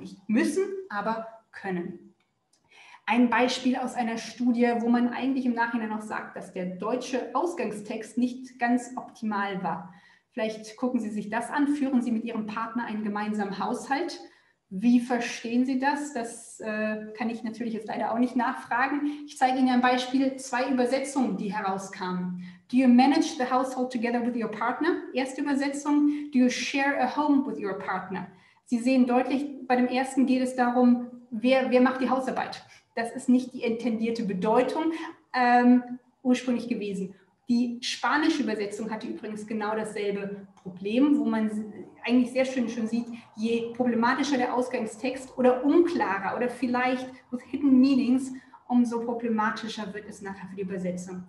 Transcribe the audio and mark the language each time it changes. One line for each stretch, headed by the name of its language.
German: Nicht müssen, aber können. Ein Beispiel aus einer Studie, wo man eigentlich im Nachhinein auch sagt, dass der deutsche Ausgangstext nicht ganz optimal war. Vielleicht gucken Sie sich das an, führen Sie mit Ihrem Partner einen gemeinsamen Haushalt. Wie verstehen Sie das? Das kann ich natürlich jetzt leider auch nicht nachfragen. Ich zeige Ihnen ein Beispiel, zwei Übersetzungen, die herauskamen.
English: Do you manage the household together with your partner?
German: Erste Übersetzung.
English: Do you share a home with your partner?
German: Sie sehen deutlich, bei dem ersten geht es darum, wer macht die Hausarbeit? Das ist nicht die intendierte Bedeutung ursprünglich gewesen. Die spanische Übersetzung hatte übrigens genau dasselbe Problem, wo man eigentlich sehr schön schon sieht, je problematischer der Ausgangstext oder unklarer oder vielleicht
English: with hidden meanings,
German: umso problematischer wird es nachher für die Übersetzung.